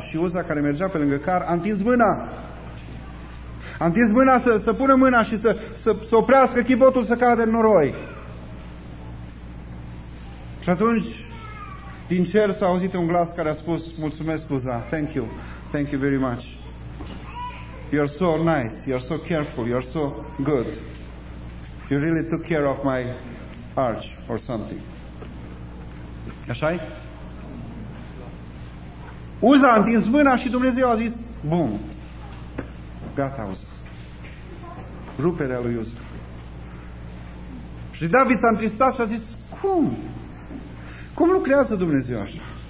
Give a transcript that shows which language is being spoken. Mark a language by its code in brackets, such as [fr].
[ro] Și Uza, care mergea pe lângă car, a întins mâna. A întins mâna să pună mâna și să oprească chivotul să cadă în noroi. Și atunci, din cer s-a auzit un glas care a spus: mulțumesc, Uza, [en] thank you, thank you very much. You're so nice, you're so careful, you're so good. You really took care of my arch or something. [ro] Așa-i? Uza a întins mâna și Dumnezeu a zis: bum, gata, Uza. Ruperea lui Uza. Și David s-a întristat și a zis: cum? Cum lucrează Dumnezeu așa?